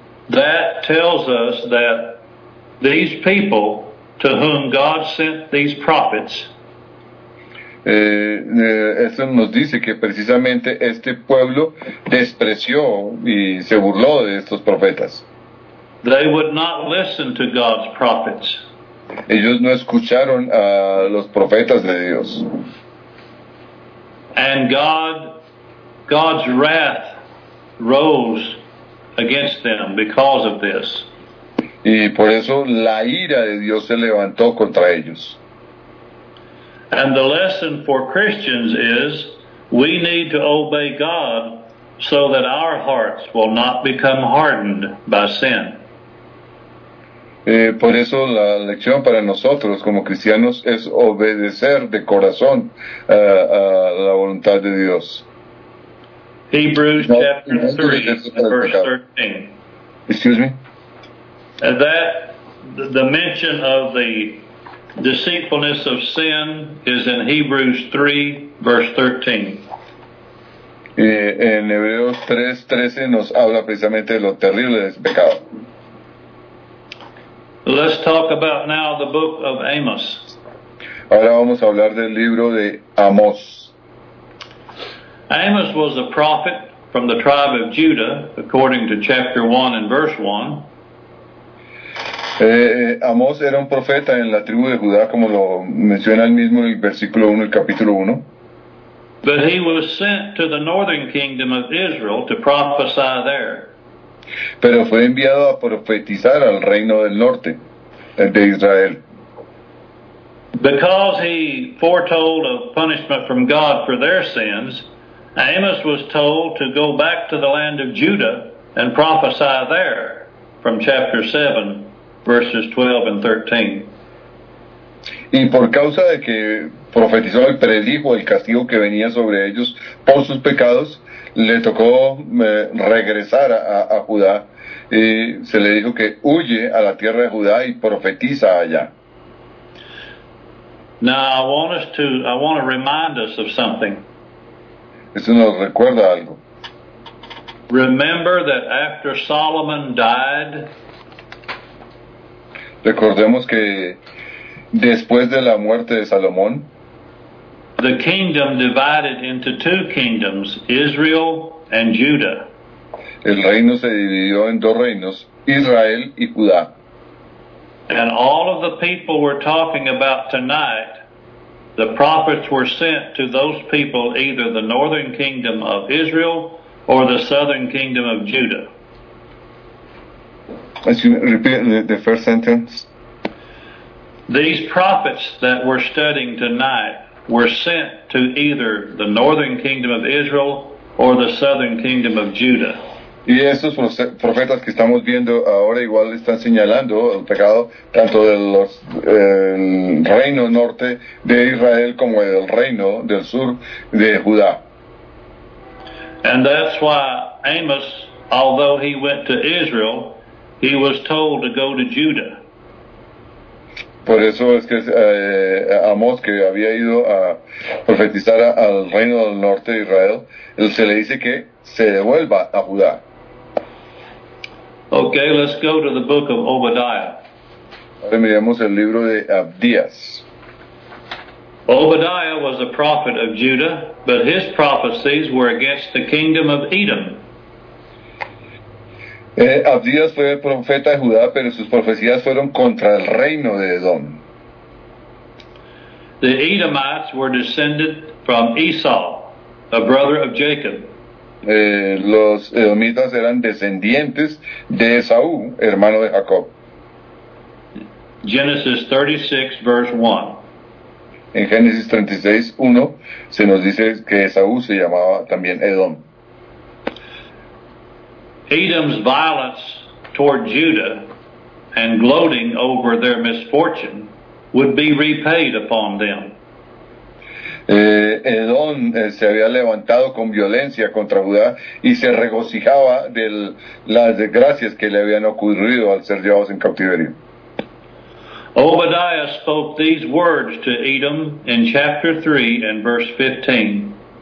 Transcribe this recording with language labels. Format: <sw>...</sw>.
<en>That tells us that these people to whom God sent these prophets.</en> <es>Eso nos dice que precisamente este pueblo despreció y se burló de estos profetas.</es> <en>They would not listen to God's prophets.</en> <es>Ellos no escucharon a los profetas de Dios.</es> <en>And God's wrath rose against them because of this.</en> <es>Y por eso la ira de Dios se levantó contra ellos.</es> <en>And the lesson for Christians is we need to obey God so that our hearts will not become hardened by sin.</en> <es>Por eso la lección para nosotros como cristianos es obedecer de corazón a la voluntad de Dios.</es> <en>Hebrews chapter 3, verse 13. Excuse me? That the mention of the deceitfulness of sin is in Hebrews 3, verse 13.</en> <es>En Hebreos 3, 13 nos habla precisamente de lo terrible del pecado.</es> <en>Let's talk about now the book of Amos.</en> <es>Ahora vamos a hablar del libro de Amos.</es> <en>Amos was a prophet from the tribe of Judah, according to chapter 1 and verse 1.</en> <es>Amos era un profeta en la tribu de Judá, como lo menciona él mismo en el versículo 1, el capítulo 1.</es> <en>But he was sent to the northern kingdom of Israel to prophesy there.</en> <es>Pero fue enviado a profetizar al reino del norte, el de Israel.</es> <en>Because he foretold of punishment from God for their sins, Amos was told to go back to the land of Judah and prophesy there, from chapter 7. Verses 12 and 13.</en> <es>Y por causa de que profetizó y predijo el castigo que venía sobre ellos por sus pecados, le tocó regresar a Judá y se le dijo que huye a la tierra de Judá y profetiza allá.</es> <en>Now I want to remind us of something.</en> <es>Esto nos recuerda algo.</es> <en>Remember that after Solomon died.</en> <es>Recordemos que después de la muerte de Salomón,</es> <en>the kingdom divided into two kingdoms, Israel and Judah.</en> <es>El reino se dividió en dos reinos, Israel y Judá.</es> <en>And all of the people we're talking about tonight, the prophets were sent to those people, either the northern kingdom of Israel or the southern kingdom of Judah. As you repeat the first sentence. These prophets that we're studying tonight were sent to either the northern kingdom of Israel or the southern kingdom of Judah.</en> <es>Y esos profetas que estamos viendo ahora igual están señalando el pecado tanto del reino norte de Israel como del reino del sur de Judá.</es> <en>And that's why Amos, although he went to Israel, he was told to go to Judah.</en> <es>por eso es que Amós, que había ido a profetizar al reino del norte de Israel, él se le dice que se devuelva a Judá.</es> <en>Okay, let's go to the book of Obadiah.</en> <es>Ahora miremos el libro de Abdías.</es> <en>Obadiah was a prophet of Judah, but his prophecies were against the kingdom of Edom.</en> <es>Abdías fue el profeta de Judá, pero sus profecías fueron contra el reino de Edom.</es> <en>The Edomites were descended from Esau, a brother of Jacob.</en> <es>Los edomitas eran descendientes de Esaú, hermano de Jacob.</es> <en>Genesis 36, verse 1.</en> <es>En Génesis 36, 1, se nos dice que Esaú se llamaba también Edom.</es> <en>Edom's violence toward Judah and gloating over their misfortune would be repaid upon them.</en> <es>Edom se había levantado con violencia contra Judá y se regocijaba de las desgracias que le habían ocurrido al ser llevados en cautiverio.</es> <en>Obadiah spoke these words to Edom in chapter 3 and verse 15.</en>